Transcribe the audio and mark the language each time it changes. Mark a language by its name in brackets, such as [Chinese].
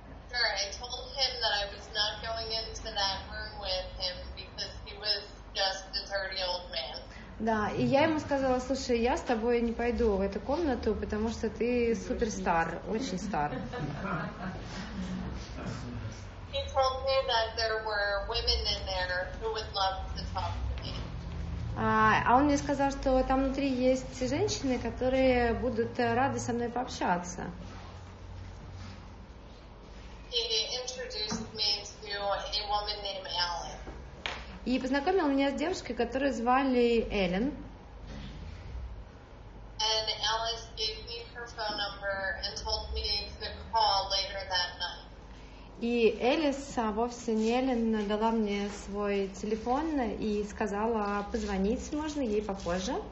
[English] Sure, I told him that I was not going into that room with him because he was just a dirty old man. [Russian] Да, и я ему сказала, слушай, я с тобой не пойду в эту комнату, потому что ты суперстар, очень стар. [English] He told me that there were women in there who would love to talk. [Russian] А он мне сказал, что там внутри есть женщины, которые будут рады со мной пообщаться. [English] He introduced me to a woman named Ellen. [Russian] И познакомил меня с девушкой, которую звали Эллен. [English] And Alice gave me her phone number and told me to call later that night. [Russian] И Элис, вовсе не Эллен, дала мне свой телефон и сказала, позвонить можно ей попозже.